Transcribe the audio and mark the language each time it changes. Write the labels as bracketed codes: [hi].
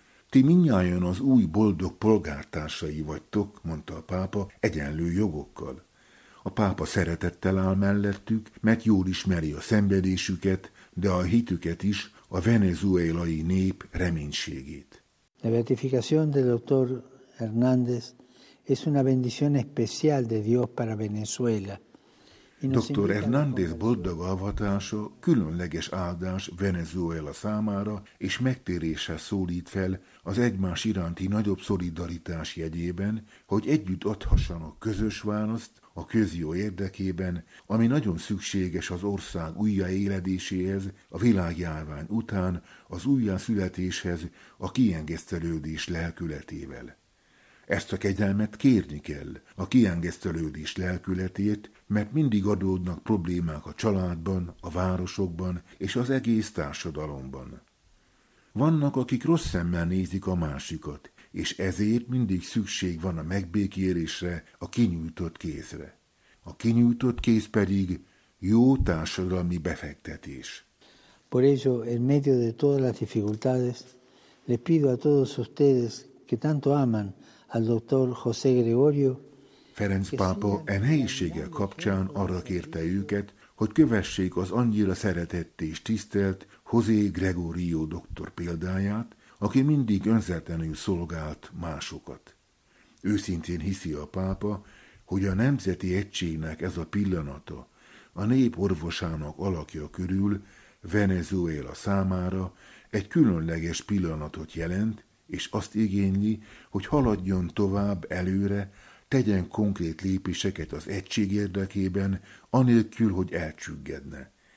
[hu] Ti mindnyájan az új boldog polgártársai vagytok, mondta a pápa, egyenlő jogokkal. A pápa szeretettel áll mellettük, mert jól ismeri a szenvedésüket, de a hitüket is, a venezuelai nép reménységét. [es] La beatificación del doctor Hernández es una bendición especial de Dios para Venezuela. [hu] Dr. Hernández boldog avatása különleges áldás Venezuela számára, és megtérésre szólít fel az egymás iránti nagyobb szolidaritás jegyében, hogy együtt adhassanak közös választ a közjó érdekében, ami nagyon szükséges az ország újjáéledéséhez, a világjárvány után, az újjászületéshez, a kiengesztelődés lelkületével. Ezt a kegyelmet kérni kell, a kiengesztelődés lelkületét, mert mindig adódnak problémák a családban, a városokban és az egész társadalomban. Vannak, akik rossz szemmel nézik a másikat, és ezért mindig szükség van a megbékélésre, a kinyújtott kézre. A kinyújtott kéz pedig jó társadalmi befektetés. [es] Por eso, en medio de todas las dificultades, le pido a todos ustedes, que tanto aman al doctor José Gregorio, [hu] Ferenc pápa e nehézségek kapcsán arra kérte őket, hogy kövessék az annyira szeretett és tisztelt José Gregorio doktor példáját, aki mindig önzetlenül szolgált másokat. Őszintén hiszi a pápa, hogy a nemzeti egységnek ez a pillanata, a nép orvosának alakja körül Venezuela számára egy különleges pillanatot jelent, és azt igényli, hogy haladjon tovább előre, tegyen konkrét lépéseket az egység érdekében, anélkül, hogy elcsüggedne.